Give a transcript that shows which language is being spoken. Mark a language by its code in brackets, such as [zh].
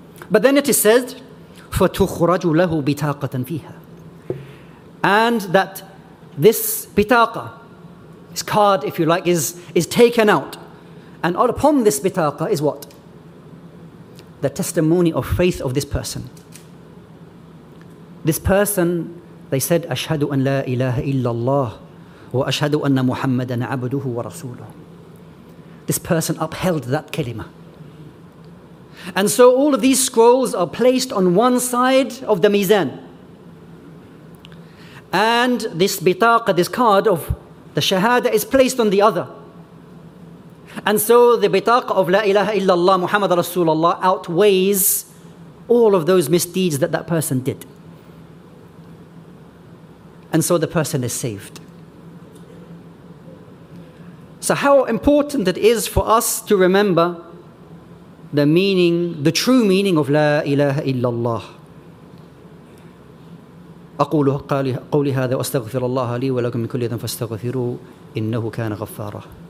[en] But then it is said, فَتُخْرَجُ لَهُ بِتَاقَةً فِيهَا, and that this bitaqa, this card if you like, is taken out. And all upon this bitaqa is what? The testimony of faith of this person. [ar] This person, they said, أَشْهَدُ أَنْ لَا إِلَهَ إِلَّا اللَّهُ وَأَشْهَدُ أَنَّ مُحَمَّدًا عَبْدُهُ وَرَسُولُهُ. [en] This person upheld that kalima. And so all of these scrolls are placed on one side of the mizan. And this bitaqa, this card of the shahada, is placed on the other. And so the bitaqa of La ilaha illallah Muhammad Rasulullah outweighs all of those misdeeds that that person did. And so the person is saved. So how important it is for us to remember the meaning, the true meaning of La ilaha illallah. [ar] أقول قولي هذا وأستغفر الله لي ولكم من كل ذنب فاستغفروا إنه كان غفارا.